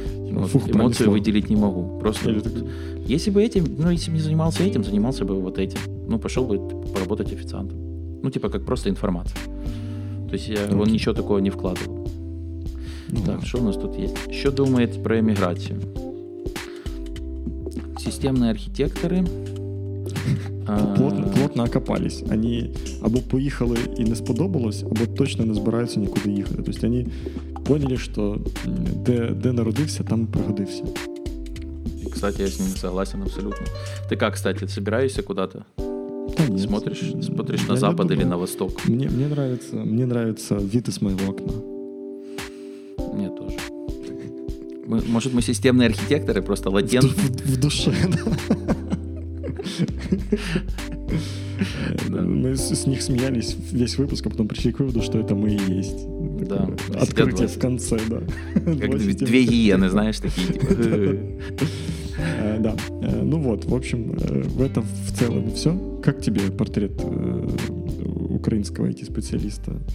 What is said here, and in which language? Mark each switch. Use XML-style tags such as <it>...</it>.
<ru>Ну, вот, эмоции выделить не могу. Просто вот, так... если бы этим, ну, если бы не занимался этим, занимался бы вот этим. Ну, пошел бы поработать официантом. Ну, типа, как просто информация. То есть я, он ничего такого не вкладывал. Ну, так, что у нас тут есть? Что думает про эмиграцию? Системные архитекторы. Плотно окопались.</ru> <uk>Они або поїхали і не сподобалось, або точно не збираються нікуди їхати. Тобто вони поняли, що де народився, там і пригодився. І, кстати, я з ним согласен абсолютно. Ти як, кстати, собираєшся куди-то? Та ні. Смотриш на запад або на восток? Мені нравится вид із моєго окна. Мені теж. Може, ми системні архітектори, просто латентні? В душі, так.</uk> <ru>Мы с них смеялись весь выпуск, а потом пришли к выводу, что это мы и есть. Да. Открытие в конце, да. Как две гиены, знаешь, такие. Да. Ну вот, в общем, в этом в целом все. Как тебе портрет украинского IT-специалиста?</ru>